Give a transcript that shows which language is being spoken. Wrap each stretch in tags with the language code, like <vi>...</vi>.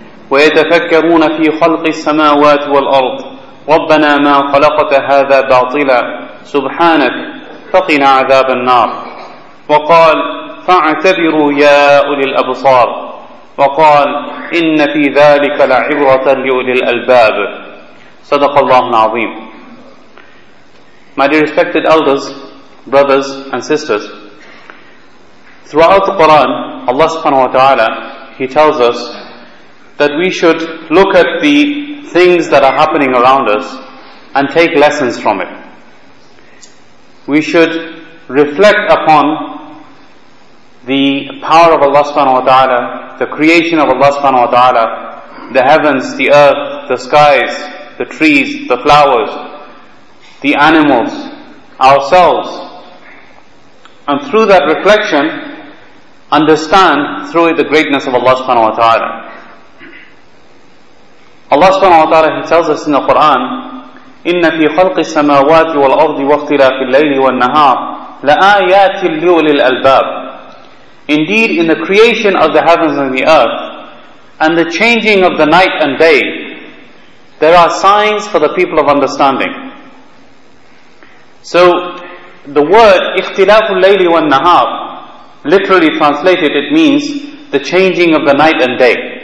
<ar>ويتفكرون في خلق السماوات والأرض ربنا ما خلقت هذا باطلا سبحانك فقنا عذاب النار وقال فاعتبروا يا أولي الأبصار وقال إن في ذلك لعبرة لأولي الألباب صدق الله العظيم.</ar> <en>My dear respected elders, brothers and sisters, throughout the Quran, Allah subhanahu wa ta'ala, He tells us that we should look at the things that are happening around us and take lessons from it. We should reflect upon the power of Allah subhanahu wa ta'ala, the creation of Allah subhanahu wa ta'ala, the heavens, the earth, the skies, the trees, the flowers, the animals, ourselves. And through that reflection, understand through it the greatness of Allah subhanahu wa ta'ala. Allah subhanahu wa ta'ala, He tells us in the Quran,</en> <ar>إِنَّ فِي خَلْقِ السَّمَاوَاتِ وَالْأَرْضِ وَاخْتِلَافِ اللَّيْلِ وَالنَّهَارِ لَآيَاتٍ لِّأُولِي الْأَلْبَابِ.</ar> <en>Indeed, in the creation of the heavens and the earth, and the changing of the night and day, there are signs for the people of understanding. So, the word</en> <ar>اِخْتِلَافُ اللَّيْلِ وَالنَّهَارِ,</ar> <en>literally translated, it means the changing of the night and day.</en>